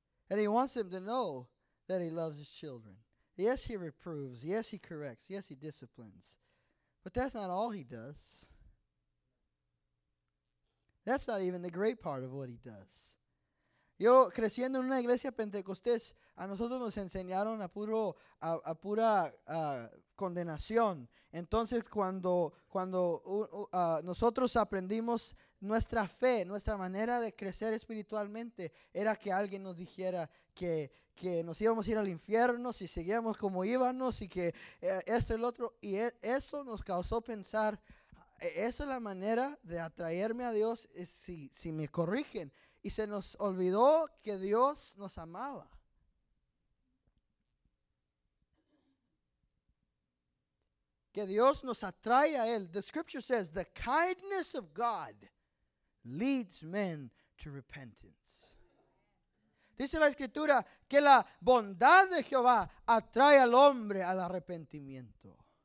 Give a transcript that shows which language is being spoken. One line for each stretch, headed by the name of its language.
English: And He wants them to know that He loves His children. Yes, He reproves. Yes, He corrects. Yes, He disciplines. But that's not all He does. That's not even the great part of what He does.
Spanish: Yo, creciendo en una iglesia pentecostés, a nosotros nos enseñaron a pura condenación. Entonces, cuando nosotros aprendimos nuestra fe, nuestra manera de crecer espiritualmente, era que alguien nos dijera que nos íbamos a ir al infierno, si seguíamos como íbamos, y que esto y el otro. Y eso nos causó pensar, eso es la manera de atraerme a Dios, si me corrigen. Y se nos olvidó que Dios nos amaba. Que Dios nos atrae a Él.
English: The scripture says, the kindness of God leads men to repentance.
Spanish: Dice la escritura que la bondad de Jehová atrae al hombre al arrepentimiento.